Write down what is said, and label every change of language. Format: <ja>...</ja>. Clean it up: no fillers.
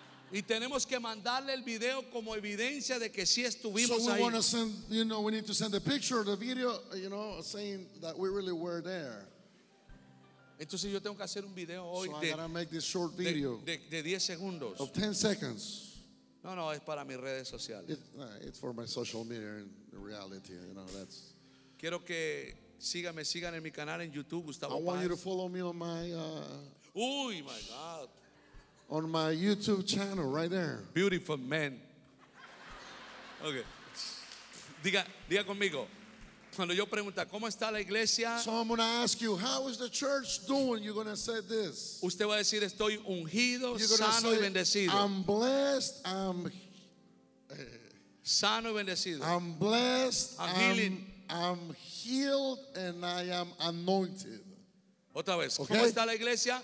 <es>Y tenemos que mandarle el video como evidencia de que sí estuvimos ahí.</es> <en>So we want to send, you know, we need to send the picture, the video, you know, saying that we really were there.</en> <es>Entonces yo tengo que hacer un video hoy</es> <en>de, I gotta make this short video</en> <es>de 10 segundos.</es> <en>Of 10 seconds.</en> <es>No, es para mis redes sociales.</es> <en>It's for my social media in reality, you know, that's.</en> <es>Quiero que sigan en mi canal en YouTube, Gustavo Paz.</es> <en>I want you to follow me on my Uy, my God. On my YouTube channel right there. Beautiful man. Okay.</en> <es>Diga conmigo. Cuando yo pregunta, ¿cómo está la iglesia?</es> <en>So I'm going to ask you, how is the church doing? You're going to say this.</en> <es>Usted va a decir, estoy ungido, sano y bendecido.</es> <en>I'm blessed. I'm</en> <es>sano y bendecido.</es> <en>I'm blessed. I'm healing. I'm healed and I am anointed.</en> <es>Otra vez. Okay? ¿Cómo está la iglesia?</es>